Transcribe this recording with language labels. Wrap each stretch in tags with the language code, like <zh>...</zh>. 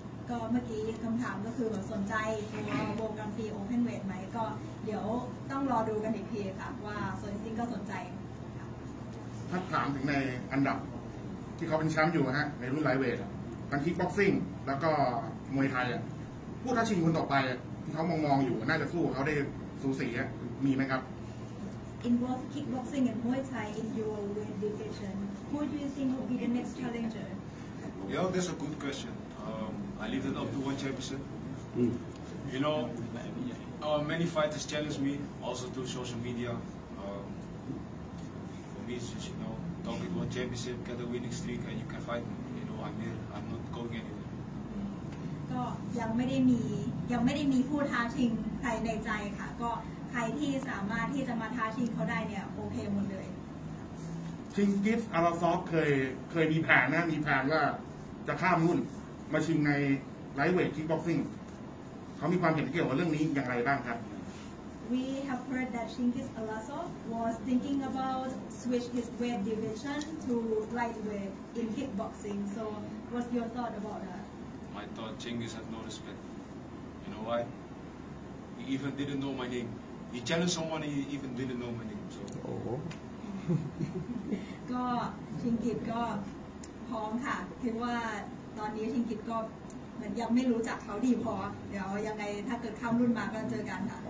<th>ก็เมื่อกี้คำถามก็คือสนใจวงการฟรีโอเพนเวทไหมก็เดี๋ยวต้องรอดูกันอีกทีค่ะว่าโซนจริงก็สนใจ ถ้าถามถึงในอันดับที่เขาเป็นแชมป์อยู่ฮะในรุ่นไลท์เวททั้งคิกบ็อกซิ่งแล้วก็มวยไทยผู้ท้าชิงคนต่อไปที่เขามองอยู่น่าจะสู้เขาได้สูสีมีไหมครับ</th> <en>In both kickboxing and Muay Thai in your weight division who do you think will be the next challenger Yeah that's a good questionI leave it up to one championship. You know, many fighters challenge me, also through social media. For me, it's just, you know, talk about championship, get a winning streak, and you can fight me. You know, I'm here. I'm not going anywhere.</en> <th>ก็ยังไม่ได้มีผู้ท้าชิงใครในใจค่ะก็ใครที่สามารถที่จะมาท้าชิงเขาได้เนี่ยโอเคหมดเลย ทิงกิฟอาราซอฟเคยมีแผนนะมีแผนว่าจะข้ามรุ่นมาชิงในไลท์เวทคิกบ็อกซิ่งเขามีความเห็นเกี่ยวกับเรื่องนี้อย่างไรบ้างครับ</th> <en>We have heard that Chingiz Alasov was thinking about switch his weight division to lightweight in kickboxing. So, what's your thought about that? My thought, Chingiz had no respect. You know why? He even didn't know my name. He challenged someone and he even didn't know my name. So.</en> <th>ก็ชิงกิจก็พร้อมค่ะคิดว่าตอนนี้ชิงกิจก็มันยังไม่รู้จักเขาดีพอเดี๋ยวยังไงถ้าเกิดข้ามรุ่นมาก็เจอกันค่ะ</th>